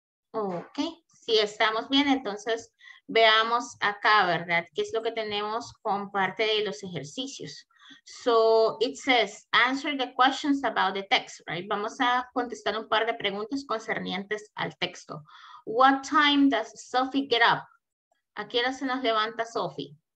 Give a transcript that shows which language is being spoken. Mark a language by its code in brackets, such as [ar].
[es] Ok, si estamos bien, entonces veamos acá, ¿verdad? ¿Qué es lo que tenemos con parte de los ejercicios? [en] So, it says, answer the questions about the text, right? [es] Vamos a contestar un par de preguntas concernientes al texto. What time does Sophie get up? ¿A qué hora se nos levanta Sophie?